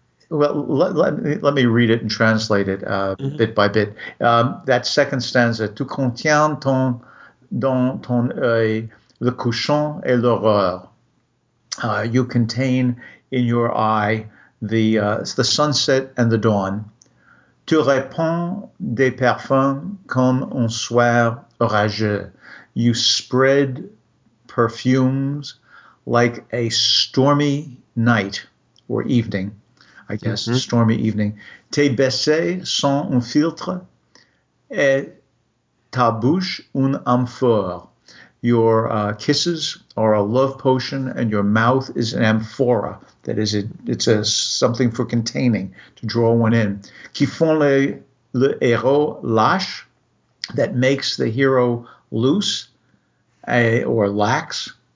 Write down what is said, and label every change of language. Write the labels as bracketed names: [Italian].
[English] Let me read it and translate it bit by bit. That second stanza, [French] tu contiens dans ton œil le couchant et l'horreur. [English] You contain in your eye the sunset and the dawn. [French] Tu répands des parfums comme un soir orageux. [English] You spread perfumes like a stormy night or evening, I guess, mm-hmm. stormy evening. [French] Tes baisers sont un filtre et ta bouche une amphore. [English] Your kisses are a love potion, and your mouth is an amphora. That is, it's something for containing, to draw one in. [French] Qui font le héros lâche, [English] that makes the hero loose or lax.